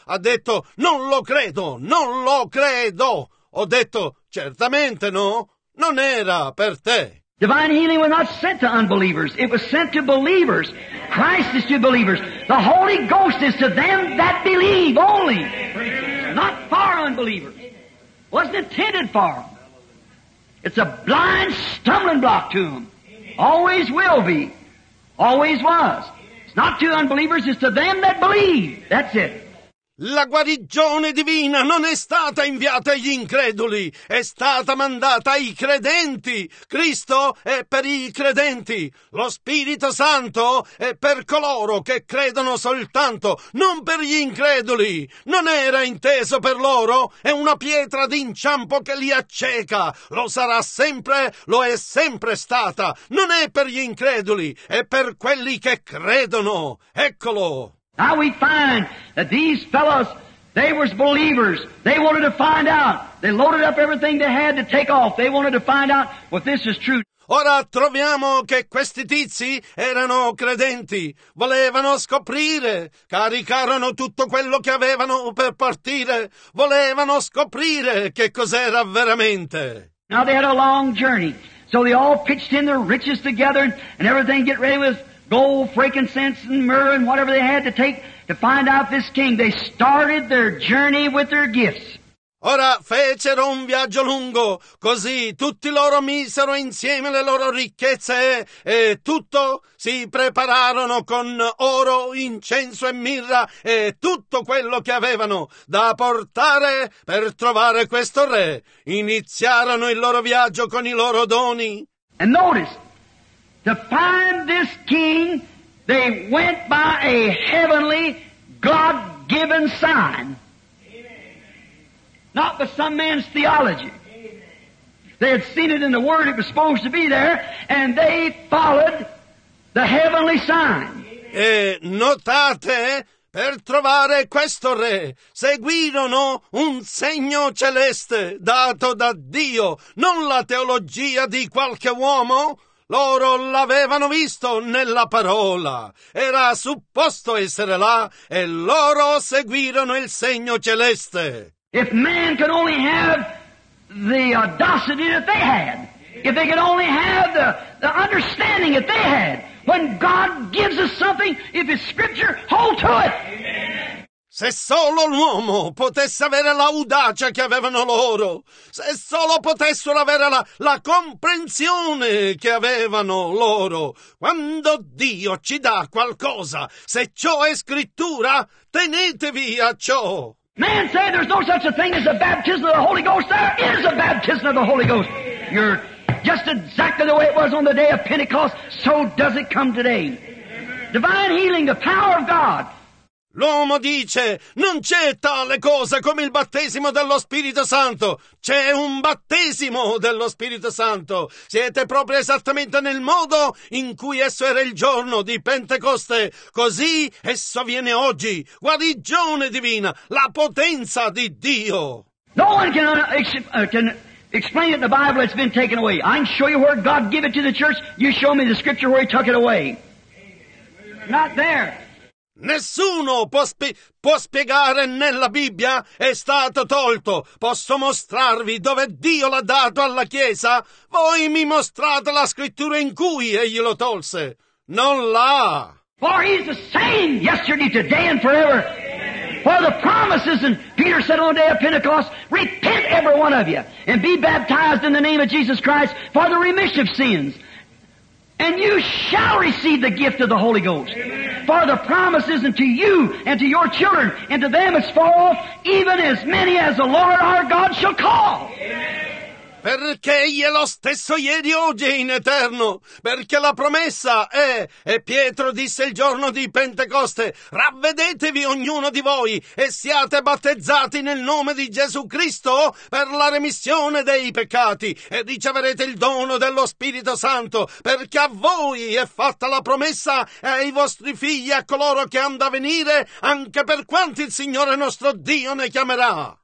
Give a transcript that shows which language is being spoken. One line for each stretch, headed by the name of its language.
Italian: Ha detto, non lo credo, non lo credo. Ho detto, certamente no, non era per te.
English: Divine healing was not sent to unbelievers, it was sent to believers. Christ is to believers. The Holy Ghost is to them that believe only. Not for unbelievers. Wasn't intended for them. It's a blind stumbling block to them. Always will be. Always was. It's not to unbelievers, it's to them that believe. That's it.
Italian: La guarigione divina non è stata inviata agli increduli, è stata mandata ai credenti. Cristo è per i credenti. Lo Spirito Santo è per coloro che credono soltanto, non per gli increduli. Non era inteso per loro, è una pietra d'inciampo che li acceca. Lo sarà sempre, lo è sempre stata. Non è per gli increduli, è per quelli che credono. Eccolo.
English: Now we find that these fellows, they were believers. They wanted to find out. They loaded up everything they had to take off. They wanted to find out if this is true.
Italian: Ora troviamo che questi tizi erano credenti. Volevano scoprire. Caricarono tutto quello che avevano per partire. Volevano scoprire che cos'era veramente.
English: Now they had a long journey. So they all pitched in their riches together and everything get ready with gold, frankincense, and myrrh, and whatever they had to take to find out this king. They started their journey with their gifts.
Italian: Ora fecero un viaggio lungo, così tutti loro misero insieme le loro ricchezze e tutto si prepararono con oro, incenso e mirra e tutto quello che avevano da portare per trovare questo re. Iniziarono il loro viaggio con i loro doni.
English: And notice, to find this king, they went by a heavenly, God-given sign. Not by some man's theology. They had seen it in the Word, it was supposed to be there, and they followed the heavenly sign.
Italian: E notate, per trovare questo re, seguirono un segno celeste dato da Dio, non la teologia di qualche uomo. Loro l'avevano visto nella parola. Era supposto essere là, e loro seguirono il segno celeste.
English: If man could only have the audacity that they had, if they could only have the understanding that they had, when God gives us something, if it's Scripture, hold to it.
Italian: Se solo l'uomo potesse avere l'audacia che avevano loro, se solo potessero avere la comprensione che avevano loro, quando Dio ci dà qualcosa, se ciò è Scrittura, tenetevi a ciò.
English: Man said there's no such a thing as a baptism of the Holy Ghost. There is a baptism of the Holy Ghost. You're just exactly the way it was on the day of Pentecost. So does it come today. Divine healing, the power of God.
Italian: L'uomo dice, non c'è tale cosa come il battesimo dello Spirito Santo. C'è un battesimo dello Spirito Santo. Siete proprio esattamente nel modo in cui esso era il giorno di Pentecoste. Così esso viene oggi. Guarigione divina, la potenza di Dio.
English: No one can explain it in the Bible, it's been taken away. I can show you where God gave it to the church. You show me the scripture where he took it away. Not there.
Italian: Nessuno può spiegare nella Bibbia è stato tolto. Posso mostrarvi dove Dio l'ha dato alla Chiesa? Voi mi mostrate la scrittura in cui egli lo tolse. Non là.
English: For he's the same yesterday, today and forever. For the promises, and Peter said on the day of Pentecost, repent every one of you and be baptized in the name of Jesus Christ for the remission of sins. And you shall receive the gift of the Holy Ghost. Amen. For the promise isn't to you and to your children, and to them as far off, even as many as the Lord our God shall call. Amen.
Italian: Perché egli è lo stesso ieri, oggi e in eterno. Perché la promessa è, e Pietro disse il giorno di Pentecoste, ravvedetevi ognuno di voi e siate battezzati nel nome di Gesù Cristo per la remissione dei peccati e riceverete il dono dello Spirito Santo, perché a voi è fatta la promessa e ai vostri figli, a coloro che hanno da venire, anche per quanti il Signore nostro Dio ne chiamerà.